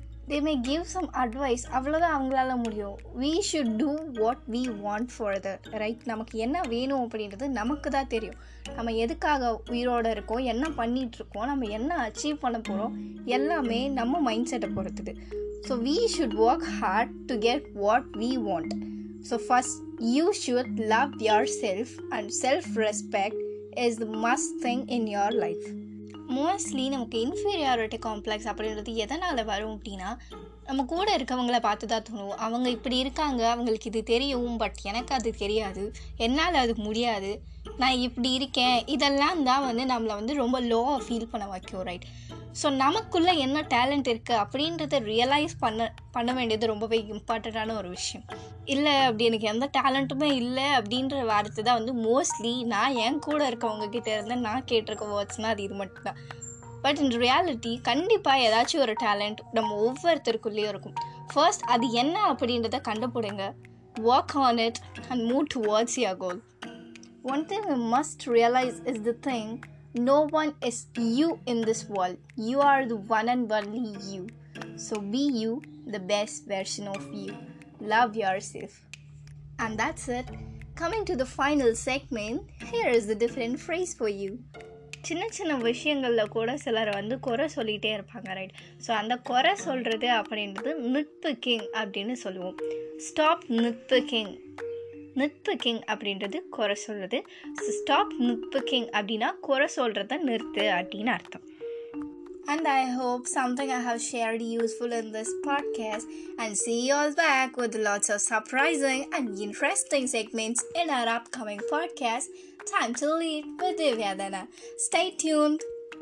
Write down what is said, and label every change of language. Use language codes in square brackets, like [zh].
[en] they may give some advice, [ta] அவ்வளோதான் அவங்களால முடியும். [en] We should do what we want for the right. [ta] நமக்கு என்ன வேணும் அப்படின்றது நமக்கு தான் தெரியும். நம்ம எதுக்காக உயிரோடு இருக்கோம், என்ன பண்ணிகிட்ருக்கோம், நம்ம என்ன அச்சீவ் பண்ண போகிறோம் எல்லாமே நம்ம மைண்ட் செட்டை பொறுத்துது. [en] So we should work hard to get what we want. So first, you should love yourself and self-respect is the must thing in your life. [ta] Mostly நமக்கு இன்ஃபீரியாரிட்டி காம்ப்ளெக்ஸ் அப்படின்றது எதனால் வரும் அப்படின்னா நம்ம கூட இருக்கவங்கள பார்த்து தான் தோணும், அவங்க இப்படி இருக்காங்க அவங்களுக்கு இது தெரியும் பட் எனக்கு அது தெரியாது, என்னால் அது முடியாது, நான் இப்படி இருக்கேன், இதெல்லாம் தான் வந்து நம்மளை வந்து ரொம்ப லோவாக ஃபீல் பண்ண வைக்கும், ரைட். ஸோ நமக்குள்ளே என்ன டேலண்ட் இருக்குது அப்படின்றத ரியலைஸ் பண்ண வேண்டியது ரொம்பவே இம்பார்ட்டண்ட்டான ஒரு விஷயம். இல்லை அப்படி எனக்கு எந்த டேலண்ட்டுமே இல்லை அப்படின்ற வார்த்தை தான் வந்து மோஸ்ட்லி நான் என் கூட இருக்கவங்கக்கிட்ட இருந்து நான் கேட்டிருக்க வேர்ட்ஸ்னால் அது இது மட்டும்தான். [en] but in reality [ta] கண்டிப்பாக ஏதாச்சும் ஒரு டேலண்ட் நம்ம ஒவ்வொருத்தருக்குள்ளேயும் இருக்கும். [en] first [ta] அது என்ன அப்படின்றத கண்டுபிடுங்க, [en] Work on it and move to words your goal. One thing we must realise is the thing, No one is you in this world. You are the one and only you. So be you, the best version of you. Love yourself. And that's it. Coming to the final segment, here is the different phrase for you. [ta] சின்ன சின்ன விஷயங்களில் கூட சிலர் வந்து குறை சொல்லிகிட்டே இருப்பாங்க, right. So அந்த குறை சொல்கிறது அப்படின்றது நிட்பிக்கிங் அப்படின்னு சொல்லுவோம். [en] stop nitpicking, [ta] நிட்பிக்கிங் அப்படின்றது குறை சொல்கிறது. ஸோ [en] stop nitpicking [ta] அப்படின்னா குறை சொல்கிறத நிறுத்து அப்படின்னு அர்த்தம். [en] And I hope something I have shared useful in this podcast. And see you all back with lots of surprising and interesting segments in our upcoming podcast, Time to Lead with Divya Dhana. Stay tuned.